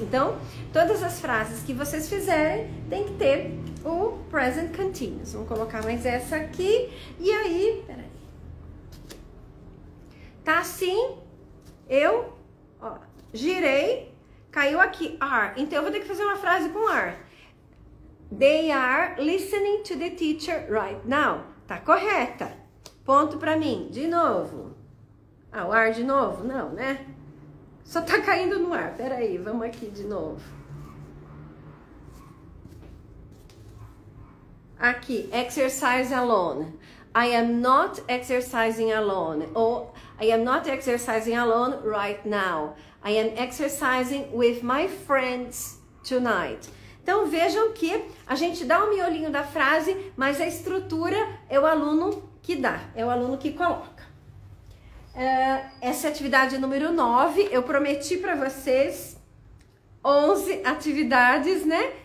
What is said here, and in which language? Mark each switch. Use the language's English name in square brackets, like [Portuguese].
[Portuguese] Então, todas as frases que vocês fizerem tem que ter o present continuous. Vamos colocar mais essa aqui e aí... Tá assim, eu, ó, girei, caiu aqui, are. Então, eu vou ter que fazer uma frase com are. [English] They are listening to the teacher right now. [Portuguese] Tá correta. Ponto pra mim, de novo. Ah, o are de novo? Não, né? Só tá caindo no ar. Peraí, vamos aqui de novo. Aqui, [English] exercise alone. I am not exercising alone. Ou, I am not exercising alone right now. I am exercising with my friends tonight. [Portuguese] Então, vejam que a gente dá o miolinho da frase, mas a estrutura é o aluno que dá, é o aluno que coloca. Essa é a atividade número 9. Eu prometi para vocês 11 atividades, né?